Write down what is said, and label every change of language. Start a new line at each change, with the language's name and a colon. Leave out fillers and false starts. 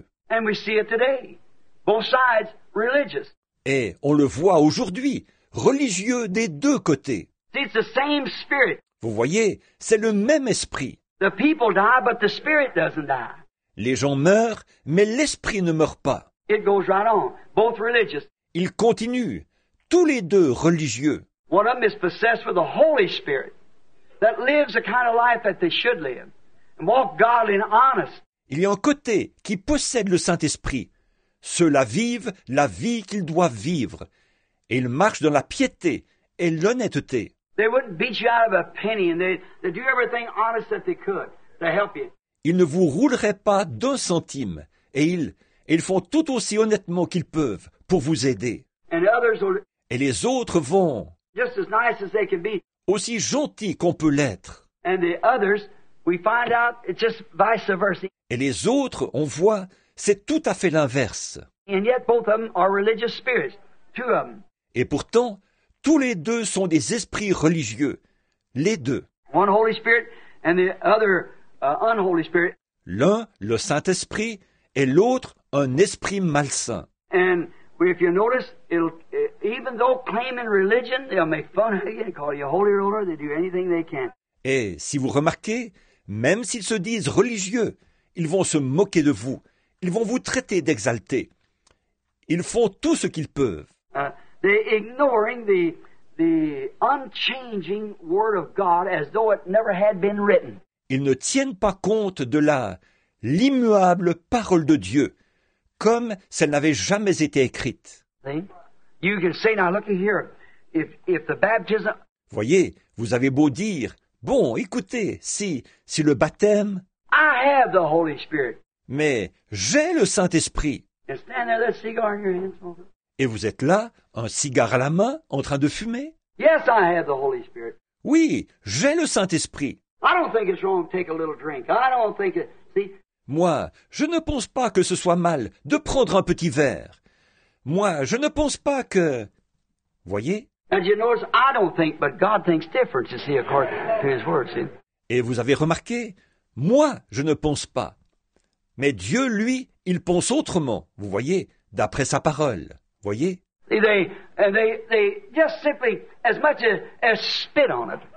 English: And we see it today, both sides religious.
French: Et on le voit aujourd'hui, religieux des deux côtés.
English: See, it's the same spirit.
French: Vous voyez, c'est le même esprit.
English: The people die, but the spirit doesn't die.
French: Les gens meurent, mais l'esprit ne meurt pas.
English: It goes right on, both religious.
French: Il continue, tous les deux religieux.
English: One of them is possessed with the Holy Spirit that lives the kind of life that they should live and walk godly and honest.
French: Il y a un côté qui possède le Saint-Esprit. Ceux-là vivent la vie qu'ils doivent vivre. Et ils marchent dans la piété et l'honnêteté.
English: They wouldn't beat you out of a penny and they do everything honest that they could to help you.
French: Ils ne vous rouleraient pas d'un centime et ils font tout aussi honnêtement qu'ils peuvent pour vous aider.
English: And others will...
French: Et les autres vont...
English: Just as nice as they can be.
French: Aussi gentil qu'on peut l'être.
English: And the others, we find out it's just vice versa.
French: Et les autres, on voit, c'est tout à fait l'inverse.
English: And yet both of them are religious spirits, two of them.
French: Et pourtant, tous les deux sont des esprits religieux, les deux.
English: One Holy Spirit and the other unholy spirit.
French: L'un, le Saint-Esprit, et l'autre, un esprit malsain.
English: And if you notice, it'll even though claiming religion, they'll make fun of you and call you a holy roller, they do anything they can.
French: Et si vous remarquez, même s'ils se disent religieux, ils vont se moquer de vous. Ils vont vous traiter d'exalté. Ils font tout ce qu'ils peuvent.
English: They're ignoring the unchanging word of God as though it never had been written.
French: Ils ne tiennent pas compte de l'immuable parole de Dieu, comme si elle n'avait jamais été écrite.
English: You can say, now look here, if the baptism...
French: Voyez, vous avez beau dire, bon, écoutez, si le baptême...
English: I have the Holy Spirit.
French: Mais j'ai le Saint-Esprit.
English: And stand there, that cigar in your hand.
French: Et vous êtes là, un cigare à la main, en train de fumer?
English: Yes, I have the Holy Spirit.
French: Oui, j'ai le Saint-Esprit.
English: I don't think it's wrong to take a little drink. I don't think it... See?
French: Moi, je ne pense pas que ce soit mal de prendre un petit verre. Moi, je ne pense pas que... Voyez?
English: And you notice, I don't think, but God thinks different, you see, according to his word, see?
French: Et vous avez remarqué, moi, je ne pense pas. Mais Dieu, lui, il pense autrement, vous voyez, d'après sa parole, voyez?
English: They just simply, as much as spit on it.